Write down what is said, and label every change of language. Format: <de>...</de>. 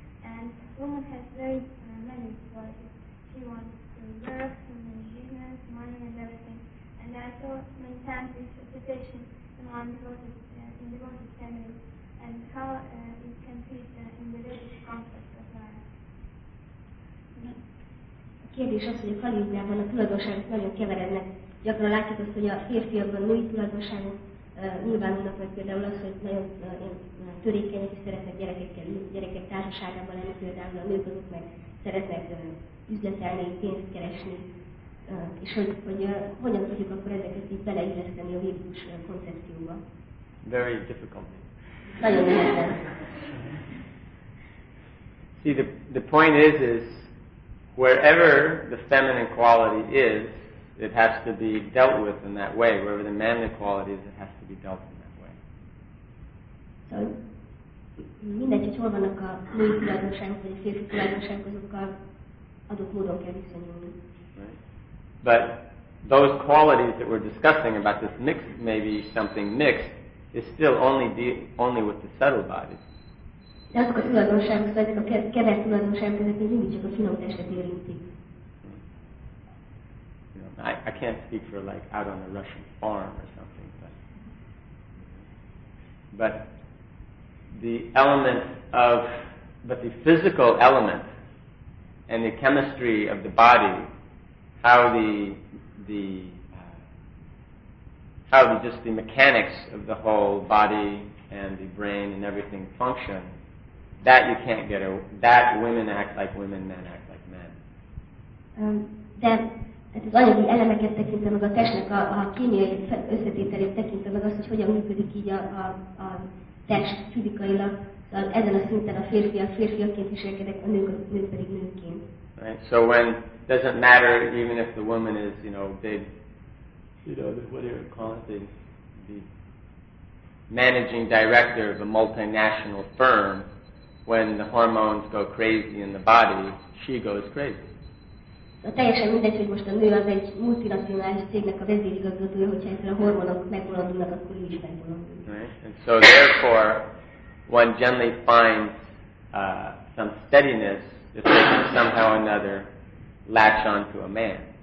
<en>And a woman has very many qualities. She wants to work, to make business, money, and everything. And I saw many times this situation in the devoted family, and how it can fit in the religious context of life.</en> <hu>Kérdés az, hogy a kalibriában a tulajdonságok nagyon keverednek. Gyakran látjuk azt, hogy a férfiakban női tulajdonságok nyilvánulnak, vagy például az, hogy nagyon törékenyek és szeretnek gyerekek társaságában lenni, például a nők azok meg szeretnek üzletelni, pénzt keresni, és hogy hogyan tudjuk akkor ezeket így beleilleszteni a védikus koncepcióba.</hu> <en>Very difficult.</en> <hu>Nagyon nehezen.</hu> <en>See, the point is wherever the feminine quality is, it has to be dealt with in that way. Wherever the manly quality is, it has to be dealt in that way.</en> <hu>So, mindegy, hogy hol vannak a női tulajdonságok, vagy a férfi tulajdonságok, azokkal adott módon kell viszonyulni.</hu> <en>But those qualities that we're discussing about this mix, maybe something mixed, is still only with the subtle bodies.</en> <hu>De azok a tulajdonságok, ezek a kevert tulajdonságok, ezek még mindig csak a finom testet érintik.</hu> <en>I can't speak for like out on a Russian farm or something, but the element of, but the physical element and the chemistry of the body, how the mechanics of the whole body and the brain and everything function, that you can't get a, that women act like women, men act like men.</en> <hu>Tehát az anyagi elemeket tekintve, meg a testnek a kémiai összetételét tekintve, meg azt, hogy hogyan működik így a test fizikailag, szóval ezen a szinten a férfiak férfiaként viselkedek, a nők pedig nőként.</hu> <en>Right. So when doesn't matter even if the woman is, you know, big, you know, whatever you call it, the managing director of a multinational firm, when the hormones go crazy in the body, she goes crazy.</en> <hu>A teljesen mindegy, hogy most a nő az egy multinacionális cégnek a vezérigazgatója, hogyha ezzel a hormonok megbolondulnak, akkor ő is megbolondul.</hu> <en>Right. And so therefore, one generally finds some steadiness if they can somehow or another latch on to a man.</en>